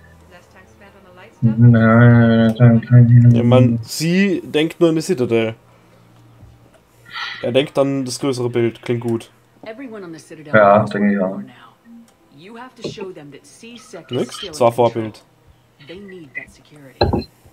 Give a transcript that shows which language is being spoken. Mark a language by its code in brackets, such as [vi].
[en] Less time spent on the light stuff? [de] Nein. Ja, man, sie denkt nur an die Citadel. Er denkt an das größere Bild, klingt gut. [en] Everyone on the Citadel. [de] Ja, denke ich auch. [en] You have to show them that C-Sec is still in control. Vorbild. They need that security.